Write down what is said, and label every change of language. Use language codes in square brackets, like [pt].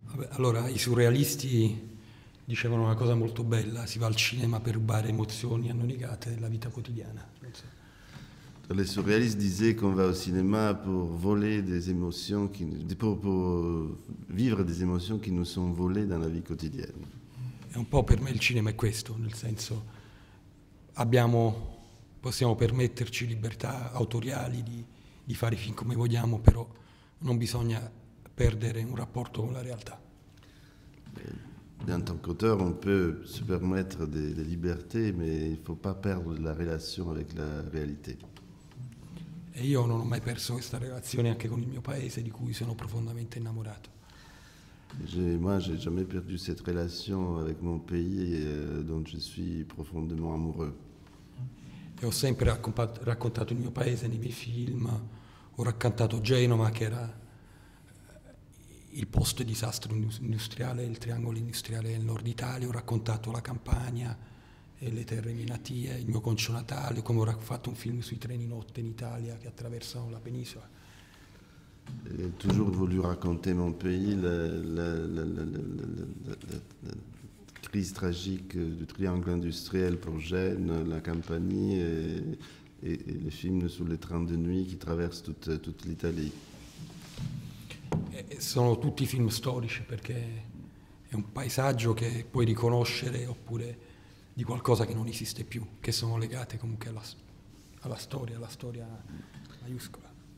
[it] Allora, i surrealisti dicevano una cosa molto bella, si va al cinema per rubare emozioni annonigate della vita quotidiana. [fr] Les surréalistes disaient qu'on va au cinéma pour voler des émotions, pour vivre des émotions qui nous sont volées dans la vie quotidienne. Et un peu pour moi, le cinéma est [it] questo, nel senso, abbiamo, possiamo permetterci libertà autoriali di fare film come vogliamo, però non bisogna perdere un rapporto con la realtà. [fr] Mais en tant qu'auteur, on peut se permettre des libertés, mais il ne faut pas perdre la relation avec la réalité. [it] E io non ho mai perso questa relazione anche con il mio paese, di cui sono profondamente innamorato. [fr] Moi, j'ai jamais perdu cette relation avec mon pays dont je suis profondément amoureux. [it] E ho sempre raccontato il mio paese nei miei film, ho raccontato Genova, che era il posto di disastro industriale, il triangolo industriale del nord Italia, ho raccontato la Campania e le terre mie natie, il mio concio natale, come ho fatto un film sui treni notte in Italia che attraversano la penisola. [fr] Ho toujours voulu raconter mon pays, la crise tragique du triangle industriel pour Gênes, la Campanie et les films sur les trains de nuit qui traversent toute l'Italie. [it] Sono tutti film storici perché è un paesaggio che puoi riconoscere oppure di qualcosa che non esiste più, che sono legate comunque alla storia maiuscola.